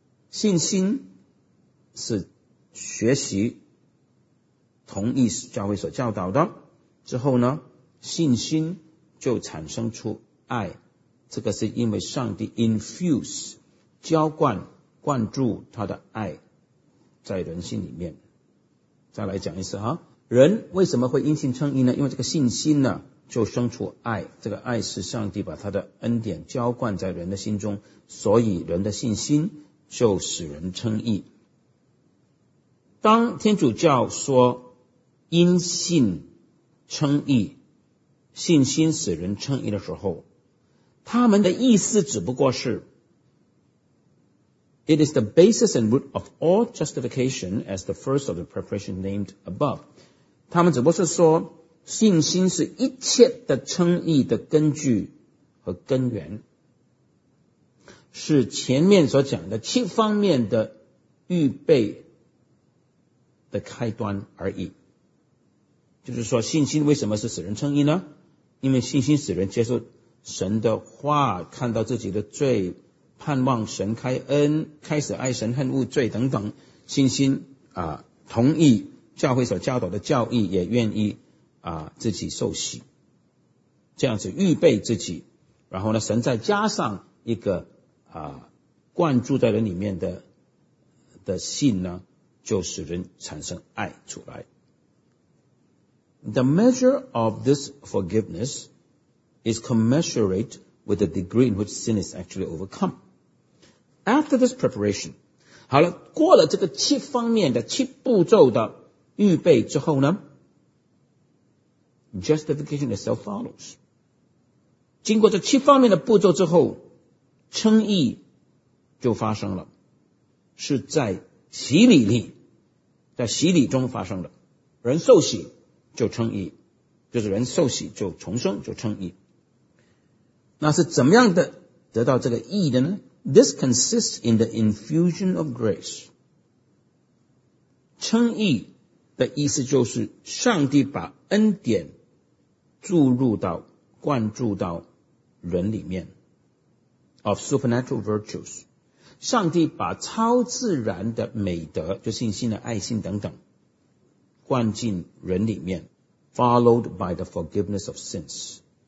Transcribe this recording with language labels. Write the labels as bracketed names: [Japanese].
[Chinese] 信心是学习同意教会所教导的之后呢，信心就产生出爱，这个是因为上帝 infuse 浇灌灌注他的爱在人心里面。再来讲一次啊，人为什么会因信称义呢？因为这个信心呢就生出爱，这个爱是上帝把他的恩典浇灌在人的心中，所以人的信心就使人称义。当天主教说因信称义，信心使人称义的时候，他们的意思只不过是 [English] It is the basis and root of all justification as the first of the preparation named above. [Chinese] 他们只不过是说信心是一切的称义的根据和根源，是前面所讲的七方面的预备的开端而已。就是说信心为什么是使人称义呢？因为信心使人接受神的话，看到自己的罪，盼望神开恩，开始爱神，恨恶罪等等。信心啊，同意教会所教导的教义，也愿意啊自己受洗，这样子预备自己。然后呢，神再加上一个啊灌注在人里面的信呢，就使人产生爱出来。 [English] The measure of this forgiveness is commensurate with the degree in which sin is actually overcome. After this preparation, [Chinese] 好了，过了这个七方面的七步骤的预备之后呢， [English] justification itself follows. [Chinese] 经过这七方面的步骤之后，称义就发生了，是在洗礼里，在洗礼中发生的，人受洗就称义，就是人受洗就重生就称义。那是怎么样的得到这个义的呢？ [English] This consists in the infusion of grace. [Chinese] 称义的意思就是上帝把恩典注入到灌注到人里面， [English] of supernatural virtues. [Chinese] 上帝把超自然的美德，就信心的爱心等等灌进人里面， [English] followed by the forgiveness of sins.